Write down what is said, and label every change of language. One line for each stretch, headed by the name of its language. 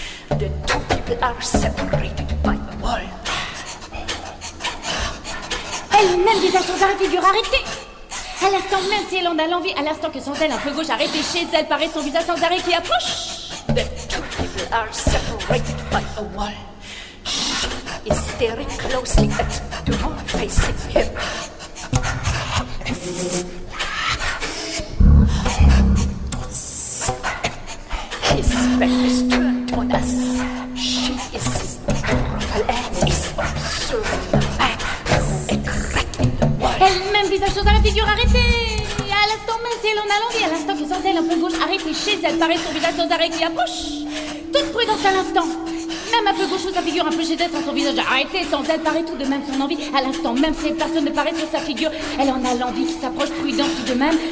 English: The two people are separated by a wall.
French: Elle-même, visage sans arrêt, figure arrêtée. À l'instant même, si elle en a l'envie, à l'instant que son zèle un peu gauche arrête, chez elle paraît son visage sans arrêt qui approche.
English: Are separated by a wall. She is staring closely at the door facing him. His back is turned on us. She is in the door of her head. Is observing the back through a crack in the wall.
French: Elle-même visage sans arrêt, figure arrêtée. À l'instant même, si elle en a l'envie, à l'instant que sans elle, un peu gauche, arrêtée chez elle, paraît son visage sans arrêt qui approche. Toute prudence à l'instant. Même un peu gauche sous sa figure, un peu chez elle, sans son visage arrêté, sans elle, paraît tout de même son envie. À l'instant même, si personne ne paraît sur sa figure, elle en a l'envie qui s'approche, prudence tout de même.